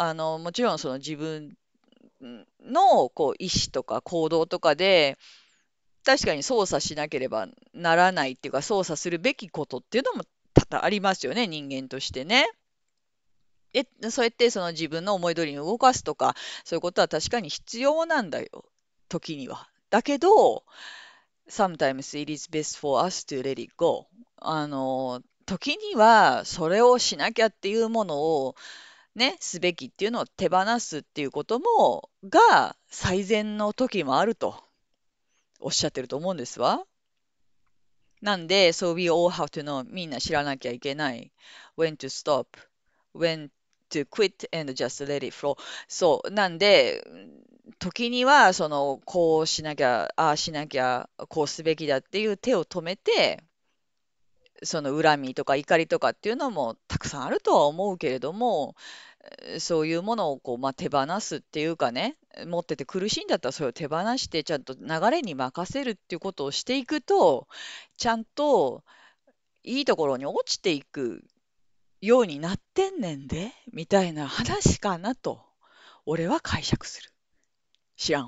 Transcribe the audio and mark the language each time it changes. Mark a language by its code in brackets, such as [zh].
[ja] もちろん、その自分のこう意思とか行動とかで、確かに操作しなければならないっていうか、操作するべきことっていうのも多々ありますよね、人間としてね。え、そうやってその自分の思い通りに動かすとか、そういうことは確かに必要なんだよ、時には。だけど、 [en] Sometimes it is best for us to let it go. 時にはそれをしなきゃっていうものをね、すべきっていうのを手放すっていうこともが最善の時もあるとおっしゃってると思うんですわ。 [ja] なんで、 [en] So we all have to know、 [ja] みんな知らなきゃいけない。 [en] When to stop, when to quit and just let it flow。 [ja] そう、なんで、時にはそのこうしなきゃ、ああしなきゃ、こうすべきだっていう手を止めて、その恨みとか怒りとかっていうのもたくさんあるとは思うけれども、そういうものをこう、まあ、手放すっていうかね、持ってて苦しいんだったらそれを手放して、ちゃんと流れに任せるっていうことをしていくと、ちゃんといいところに落ちていくようになってんねんで、みたいな話かなと俺は解釈する。知らん。